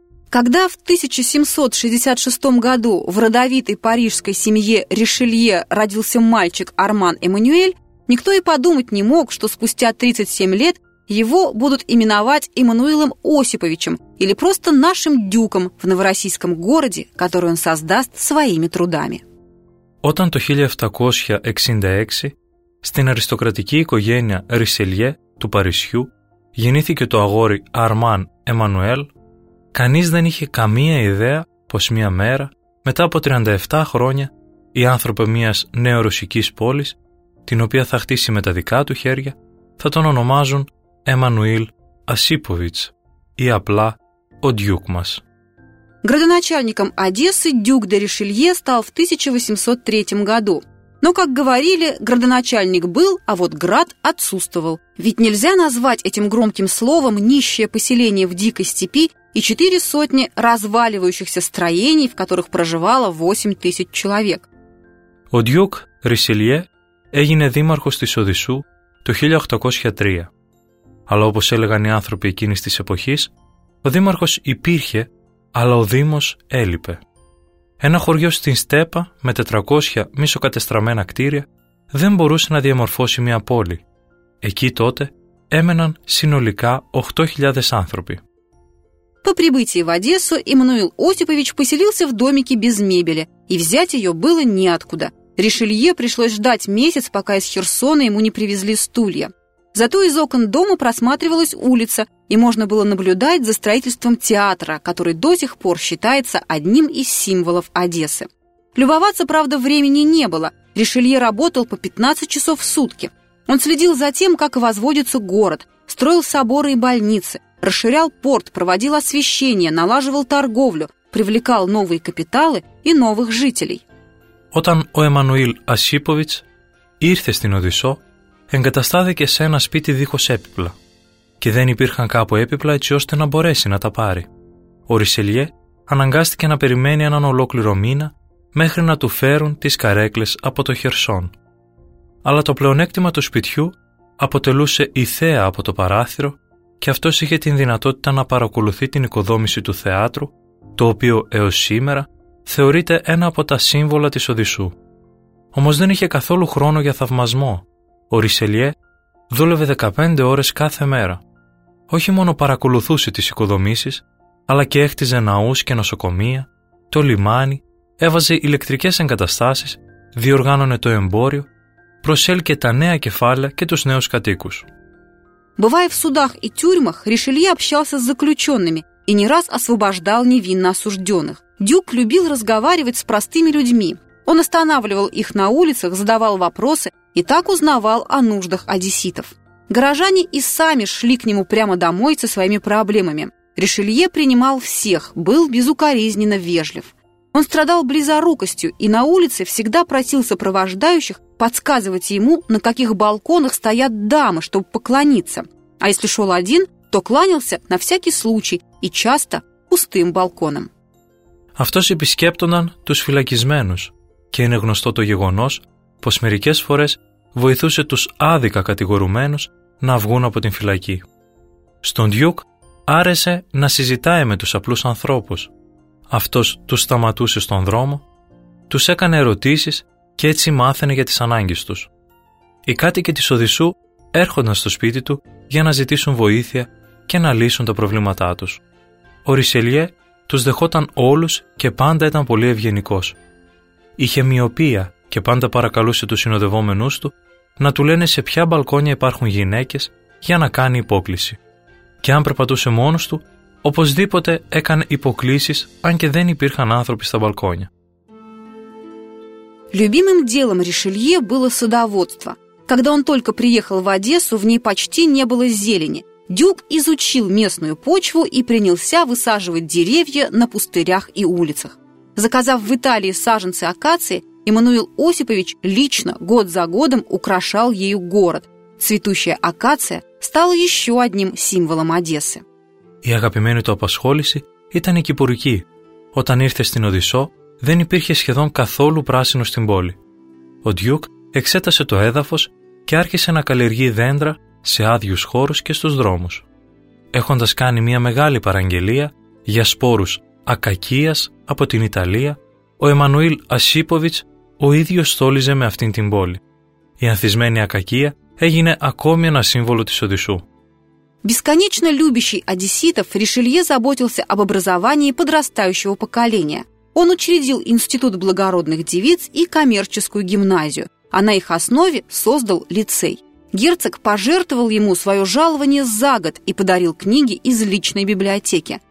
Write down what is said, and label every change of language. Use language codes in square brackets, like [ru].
[ru] Когда в 1766 году в родовитой парижской семье Ришелье родился мальчик Арман Эммануэль, никто и подумать не мог, что спустя 37 лет его будут именовать Эммануилом Осиповичем или просто нашим дюком в новороссийском городе, который он создаст своими трудами. [el] Όταν το 1766 στην αριστοκρατική οικογένεια Ρισελιέ του Παρισιού γεννήθηκε το αγόρι Αρμάν Εμμανουέλ, κανείς δεν είχε καμία ιδέα πως μία μέρα, μετά από 37 χρόνια, οι άνθρωποι μιας νεορωσικής πόλης, την οποία θα χτίσει με τα δικά του χέρια, θα τον ονομάζουν Εμμανουήλ Ασίποβιτς ή απλά ο Ντιούκ μας. [ru] Градоначальником Одессы Дюк де Ришелье стал в 1803 году. Но, как говорили, градоначальник был, а вот град отсутствовал. Ведь нельзя назвать этим громким словом нищее поселение в дикой степи и 400 разваливающихся строений, в которых проживало 8000 человек. [el] О Дюк Ришелье έγινε δήμαρχος της Οδυσσού το 1803. Αλλά όπως έλεγαν οι άνθρωποι εκείνης της εποχής, ο δήμαρχος υπήρχε, αλλά ο δήμος έλειπε. ένα χωριό στην στέπα με 400 μισοκατεστραμμένα κτίρια δεν μπορούσε να διαμορφώσει μια πόλη. Εκεί τότε έμεναν συνολικά 8.000 άνθρωποι. [ru] По прибытии в Одессу Эммануил Осипович поселился в домике без мебели, и взять ее было неоткуда. Ришелье пришлось ждать месяц, пока из Херсона ему не привезли стулья. Зато из окон дома просматривалась улица, и можно было наблюдать за строительством театра, который до сих пор считается одним из символов Одессы. Любоваться, правда, времени не было. Ришелье работал по 15 часов в сутки. Он следил за тем, как возводится город, строил соборы и больницы, расширял порт, проводил освещение, налаживал торговлю, привлекал новые капиталы и новых жителей. [el] Όταν ο Εμμανουήλ Ασίποβιτς ήρθε στην Οδυσσό, εγκαταστάθηκε σε ένα σπίτι δίχως έπιπλα και δεν υπήρχαν κάπου έπιπλα έτσι ώστε να μπορέσει να τα πάρει. Ο Ρισελιέ αναγκάστηκε να περιμένει έναν ολόκληρο μήνα μέχρι να του φέρουν τις καρέκλες από το Χερσόν. Αλλά το πλεονέκτημα του σπιτιού αποτελούσε η θέα από το παράθυρο και αυτός είχε την δυνατότητα να παρακολουθεί την οικοδόμηση του θεάτρου, το οποίο έως σήμερα θεωρείται ένα από τα σύμβολα της Οδυσσού. Όμως δεν είχε καθόλου χρόνο για θαυμασμό. Ο Ρισελιέ δούλευε 15 ώρες κάθε μέρα. Όχι μόνο παρακολουθούσε τις οικοδομήσεις, αλλά και έχτιζε ναούς και νοσοκομεία, το λιμάνι, έβαζε ηλεκτρικές εγκαταστάσεις, διοργάνωνε το εμπόριο, προσέλκε τα νέα κεφάλαια και τους νέους κατοίκους. [ru] Бывая в судах и тюрьмах, Ришелье общался с заключенными и не раз освобождал невинно осужденных. Дюк любил разговаривать с простыми людьми. Он останавливал их на улицах, задавал вопросы и так узнавал о нуждах одесситов. Горожане и сами шли к нему прямо домой со своими проблемами. Ришелье принимал всех, был безукоризненно вежлив. Он страдал близорукостью и на улице всегда просил сопровождающих подсказывать ему, на каких балконах стоят дамы, чтобы поклониться. А если шел один, то кланялся на всякий случай и часто пустым балконом. [el] Αυτός επισκέπτονταν τους φυλακισμένους και είναι γνωστό το γεγονός πως μερικές φορές βοηθούσε τους άδικα κατηγορουμένους να βγουν από την φυλακή. Στον Διούκ άρεσε να συζητάει με τους απλούς ανθρώπους. Αυτός τους σταματούσε στον δρόμο, τους έκανε ερωτήσεις και έτσι μάθαινε για τις ανάγκες τους. Οι κάτοικοι της Οδυσσού έρχονταν στο σπίτι του για να ζητήσουν βοήθεια και να λύσουν τα προβλήματά τους. Ο Ρισελιέ τους δεχόταν όλους και πάντα ήταν πολύ ευγενικός. Είχε μοιοπία και πάντα παρακαλούσε τους συνοδευόμενούς του να του λένε σε ποια μπαλκόνια υπάρχουν γυναίκες για να κάνει υπόκληση. Και αν περπατούσε μόνος του, οπωσδήποτε έκανε υποκλήσεις, αν και δεν υπήρχαν άνθρωποι στα μπαλκόνια. [ru] Любимым делом Ришелье было садоводство. Когда он только приехал в Одессу, в ней почти не было зелени. Дюк изучил местную почву и принялся высаживать деревья на пустырях и улицах. Заказав в Италии саженцы акации, Эммануил Осипович лично год за годом украшал ею город. Цветущая акация стала еще одним символом Одессы. [el] Η αγαπημένη του απασχόληση ήταν η Κυπουρική. Όταν ήρθε στην Οδυσσό, δεν υπήρχε σχεδόν καθόλου πράσινο στην πόλη. Ο Ντιούκ εξέτασε το έδαφος και άρχισε να καλλιεργεί δέντρα σε άδειους χώρους και στους δρόμους. Έχοντας κάνει μια μεγάλη παραγγελία για σπόρους ακακίας από την Ιταλία, ο Εμμανουήλ Ασίποβιτς ο ίδιος στόλιζε με αυτήν την πόλη. Η ανθισμένη ακακία έγινε ακόμη ένα σύμβολο της Οδυσσού. [ru] Бесконечно любящий одесситов, Ришелье заботился об образовании подрастающего поколения. Он учредил Институт благородных девиц и коммерческую гимназию, а на их основе создал лицей. Герцог пожертвовал ему свое жалование за год и подарил книги из личной библиотеки.